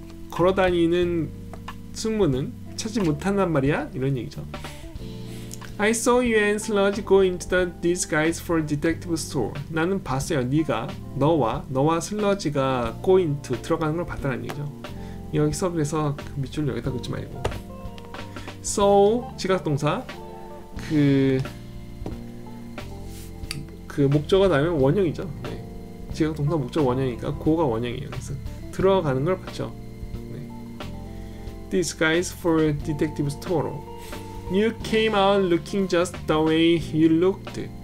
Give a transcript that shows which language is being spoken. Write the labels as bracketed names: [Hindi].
[Korean] 걸어다니는 승무는 찾지 못한단 말이야? 이런 얘기죠. [English] I saw you and Sludge go into the disguise for detective store. [Korean] 나는 봤어요. 네가 너와 슬러지가 [English] go into [Korean] 들어가는 걸 봤다는 얘기죠. 여기서 그래서 그 밑줄 여기다 긋지 말고 so 지각동사 그 그 목적어 다음에 원형이죠. 네. 지각 동사 목적 원형이니까 고가 원형이에요. 그래서 들어가는 걸 봤죠. [English] 네. Disguise for a detective store. You came out looking just the way you looked.